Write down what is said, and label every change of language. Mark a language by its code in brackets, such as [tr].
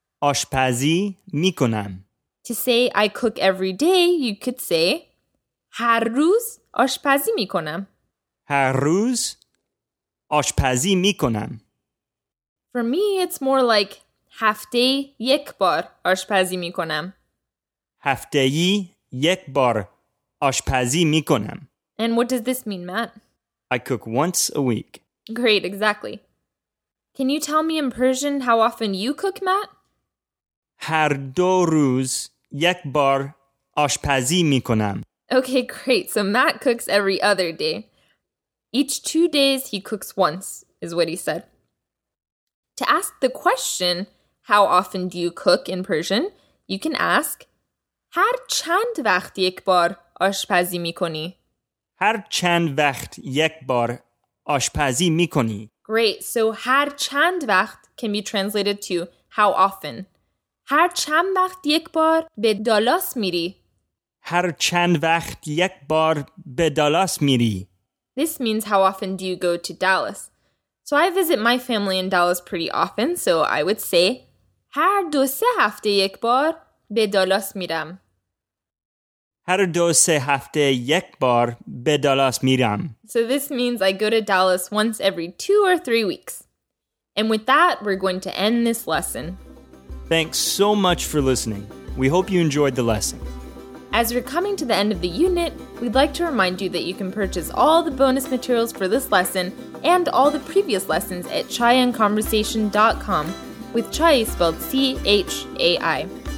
[fa] آشپزی می کنم. [en] To say I cook every day, you could say [fa] هر روز آشپزی می کنم. هر روز آشپزی می کنم. [en] For me, it's more like [fa] هفته یک بار آشپزی می کنم. هفته یک بار آشپزی می کنم. [en] And what does this mean, Matt? I cook once a week. Great, exactly. Can you tell me in Persian how often you cook, Matt? [fa] هر دو روز یک بار آشپزی می کنم. [en] Okay, great. So Matt cooks every other day. Each 2 days he cooks once, is what he said. To ask the question, how often do you cook in Persian, you can ask, [fa] هر چند وقت یک بار آشپزی می کنی؟ هر چند وقت یک بار آشپزی می کنی؟ [en] Great, so هر چند وقت can be translated to how often. [fa] هر چند وقت یک بار به دالاس میری. هر چند وقت یک بار به دالاس میری. [en] This means how often do you go to Dallas. So I visit my family in Dallas pretty often, so I would say [fa] هر دو سه هفته یک بار به دالاس میرم. هر دو سه هفته یک بار به دالاس میرم. [en] So this means I go to Dallas once every 2 or 3 weeks. And with that, we're going to end this lesson. Thanks so much for listening. We hope you enjoyed the lesson. As we're coming to the end of the unit, we'd like to remind you that you can purchase all the bonus materials for this lesson and all the previous lessons at chaiandconversation.com with chai spelled C-H-A-I.